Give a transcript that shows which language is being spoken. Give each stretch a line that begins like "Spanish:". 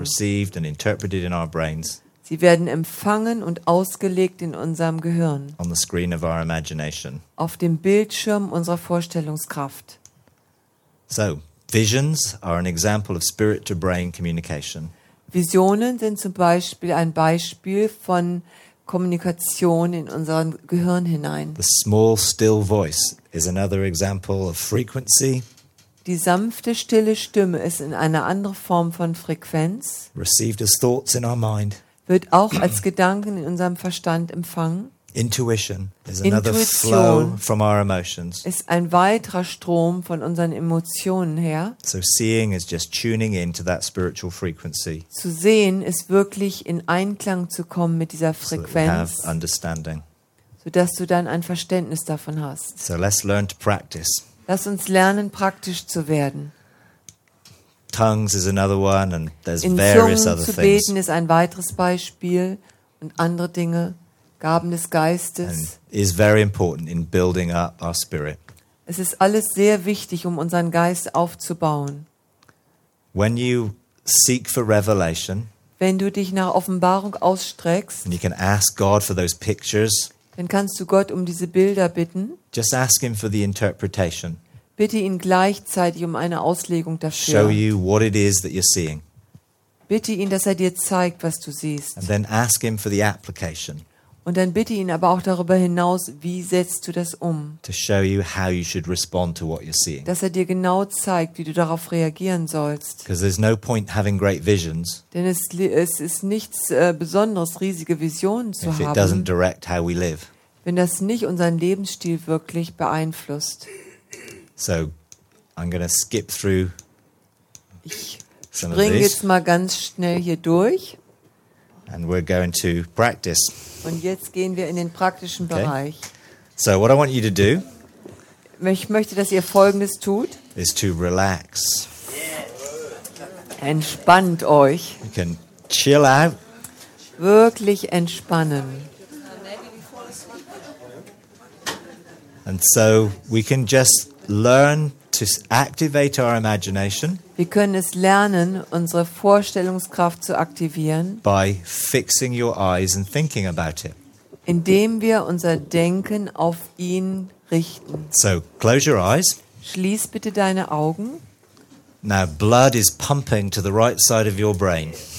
English: Received and interpreted in our brains.
German: Sie werden empfangen und ausgelegt in unserem Gehirn.
English: On the screen of our imagination.
German: Auf dem Bildschirm unserer Vorstellungskraft.
English: So, visions are an example of spirit-to-brain communication.
German: Visionen sind zum Beispiel ein Beispiel von Kommunikation in unser Gehirn hinein.
English: The small still voice is another example of frequency.
German: Die sanfte stille Stimme ist in einer anderen Form von Frequenz.
English: Received as thoughts in our mind.
German: Wird auch als Gedanken in unserem Verstand empfangen.
English: Intuition is another Intuition flow from our emotions.
German: Ist ein weiterer Strom von unseren Emotionen her.
English: So seeing is just tuning into that spiritual frequency.
German: Zu sehen ist wirklich in Einklang zu kommen mit dieser Frequenz.
English: So that we have understanding.
German: So dass du dann ein Verständnis davon hast.
English: So let's learn to practice.
German: Lass uns lernen, praktisch zu werden.
English: Tongues is another one, and there's in various
German: Zungen
English: other things.
German: Zu beten ist ein weiteres Beispiel und andere Dinge. Gaben des Geistes.
English: And is very important in building up our spirit.
German: Es ist alles sehr wichtig, um unseren Geist aufzubauen.
English: When you seek for revelation,
German: wenn du dich nach Offenbarung ausstreckst,
English: and you can ask God for those pictures,
German: dann kannst du Gott um diese Bilder bitten.
English: Just ask him for the interpretation.
German: Bitte ihn gleichzeitig um eine Auslegung dafür.
English: Show you what it is that you're seeing.
German: Bitte ihn, dass er dir zeigt, was du siehst.
English: And then ask him for the application.
German: Und dann bitte ihn aber auch darüber hinaus, wie setzt du das um?
English: To show you how you should respond to what you're seeing.
German: Dass er dir genau zeigt, wie du darauf reagieren sollst.
English: Because there's no point having great visions.
German: Denn es ist nichts Besonderes, riesige Visionen zu haben.
English: If it doesn't direct how we live.
German: Wenn das nicht unseren Lebensstil wirklich beeinflusst.
English: So, I'm gonna skip through.
German: Ich springe jetzt mal ganz schnell hier durch.
English: And we're going to practice.
German: Und jetzt gehen wir in den praktischen Bereich.
English: So what I want you to do,
German: ich möchte, dass ihr Folgendes tut.
English: Is to relax.
German: Entspannt euch.
English: You can chill out.
German: Wirklich entspannen.
English: And so we can just learn to activate our imagination.
German: Wir können es lernen, unsere Vorstellungskraft zu aktivieren.
English: By fixing your eyes and thinking about it.
German: Indem wir unser Denken auf ihn richten.
English: So close your eyes.
German: Schließ bitte deine Augen.
English: Now blood is pumping to the right side of your brain.